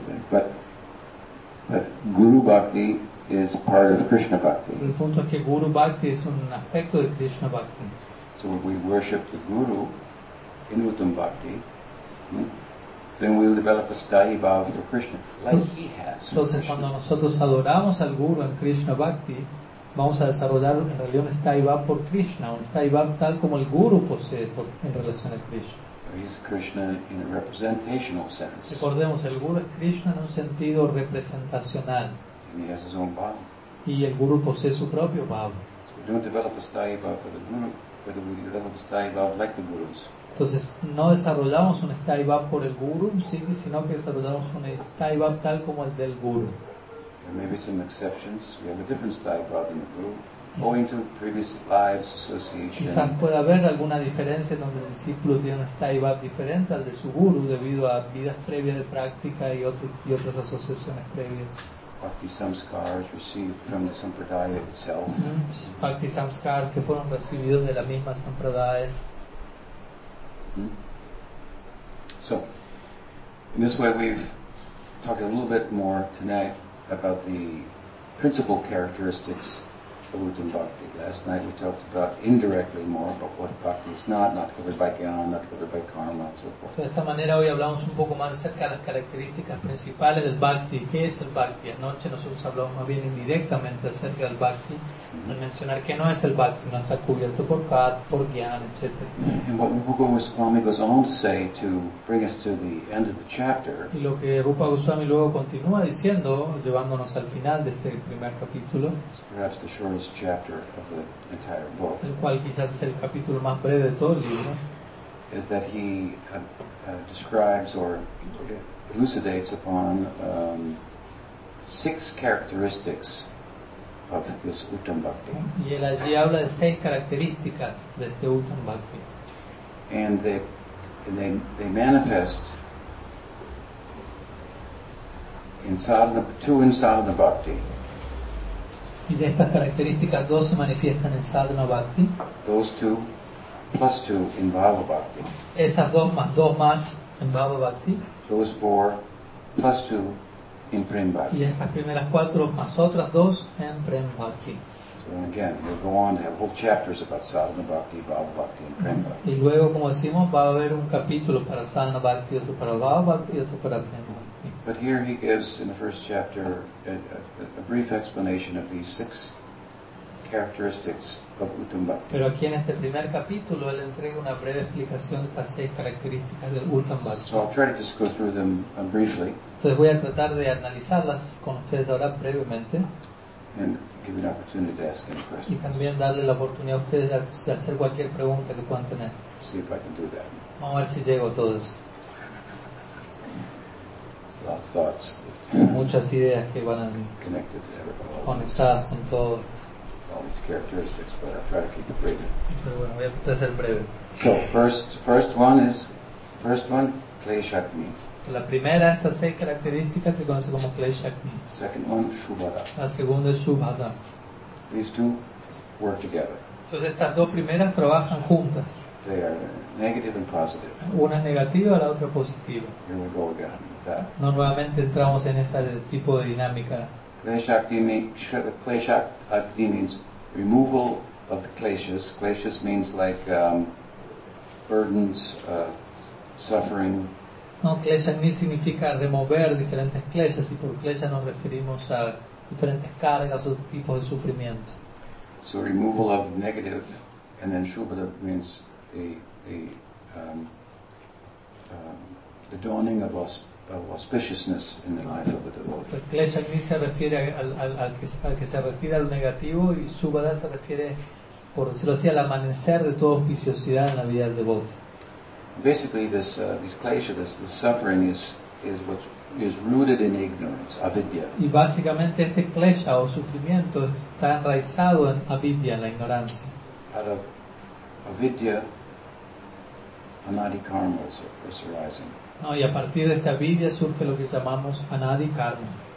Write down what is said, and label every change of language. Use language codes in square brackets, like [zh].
[en] But Guru Bhakti is part of Krishna Bhakti. [es] El punto es que Guru Bhakti es un aspecto de Krishna Bhakti. [en] So if we worship the Guru in Uttam Bhakti, then we'll develop a sthayi bhav for Krishna, like he has. [es] Entonces, cuando nosotros adoramos al Guru en Krishna Bhakti, vamos a desarrollar en realidad un sthayi bhav por Krishna, un sthayi bhav tal como el Guru posee por, en relación a Krishna. [en] He's Krishna in a representational sense. [es] Recordemos, el Guru es Krishna en un sentido representacional. [en] And he has his own bhav. [es] Y el Guru posee su propio bhav. [en] So we don't develop a sthayi bhav for the Guru. Whether we develop a sthayi bhav like the gurus. [es] Entonces, no desarrollamos un sthayi bhav por el guru, sino que desarrollamos un sthayi bhav tal como el del guru. [en] There may be some exceptions. We have a different style brought in the group. Owing to previous lives, association. [es] Quizás pueda haber alguna diferencia donde el discípulo tiene una style diferente al de su guru debido a vidas previas de práctica y otras asociaciones previas. [en] Bhakti samskars received from the sampradaya itself. [es] Bhakti samskars que fueron recibidos de la misma sampradaya. [en] So, in this way, we've talked a little bit more tonight about the principal characteristics. Last night we talked about indirectly more about what bhakti is not covered by jnana, not covered by karma, and so forth. [es] De esta manera hoy hablamos un poco más acerca de las características principales del bhakti. ¿Qué es el bhakti? Anoche nosotros hablamos más bien indirectamente acerca del bhakti, al mencionar que no es el bhakti, no está cubierto por karma, por jnana, etc. [en] And what Rupa Goswami goes on to say to bring us to the end of the chapter. [es] Y lo que Rupa Goswami luego continúa diciendo, llevándonos al final de este primer capítulo. [en] Perhaps the shortest chapter of the entire book. [es] El cual quizás es el capítulo más breve de todo el libro. [en] Is that he describes or elucidates upon six characteristics of this uttam bhakti. [es] Y él allí habla de seis características de este uttam bhakti. [en] And they manifest in sadhana, two in sadhana bhakti. [es] Y de estas características dos se manifiestan en sadhana bhakti. [en] Those two plus two in bhava bhakti. [es] Esas dos más en bhava bhakti. [en] Those four plus two in prem bhakti. [es] Y estas primeras cuatro más otras dos en prem bhakti. [en] So again, we'll go on to have whole chapters about sadhana bhakti, bhava bhakti, and prem bhakti. [es] Y luego, como decimos, va a haber un capítulo para sadhana bhakti, otro para bhava bhakti, otro para prem bhakti. [en] But here he gives in the first chapter a brief explanation of these six characteristics of uttam bhakti. [es] Pero aquí en este primer capítulo él entrega una breve explicación de estas seis características del uttam bhakti. [en] So I'll try to just go through them briefly. [es] Entonces voy a tratar de analizarlas con ustedes ahora brevemente. [en] And give you an opportunity to ask any questions. [es] Y también darle la oportunidad a ustedes de hacer cualquier pregunta que puedan tener. [en] See if I can do that. [es] Vamos a ver si llego a todo eso. [en] Of thoughts. [es] Muchas ideas que van a [en] connected to everybody. [es] Conectadas con todo esto. [en] All these characteristics, but I'll try to keep it brief. [es] Pero bueno, voy a tratar de ser breve. [en] So first one, kleshakni. [es] La primera de estas seis características se conoce como kleshakni. [en] Second one, shubhada. [es] La segunda es shubhada. [en] These two work together. [es] Entonces estas dos primeras trabajan juntas. [en] They are negative and positive. [es] Una es negativa, la otra positiva. [en] Here we go again. [es] No, nuevamente entramos en ese tipo de dinámica. [en] Kleshakti means removal of the kleshas. Kleshas means like burdens, suffering. [es] No, kleshakti significa remover diferentes kleshas, y por klesha nos referimos a diferentes cargas o tipos de sufrimiento. [en] So removal of negative, and then shubhada means the dawning of us. Of auspiciousness in the life of the devotee. [es] Klesha Agni se refiere al que se retira lo negativo, y Shubhada se refiere, por decirlo así, al amanecer de toda auspiciosidad en la vida del devoto. [en] Basically, this klesha, this suffering is what is rooted in ignorance, avidya. [es] Y básicamente este klesha o sufrimiento está enraizado en avidya, en la ignorancia. [en] Out of avidya, anadi karma is arising. [es] No, y a partir de esta vidya surge lo que llamamos anadi karma.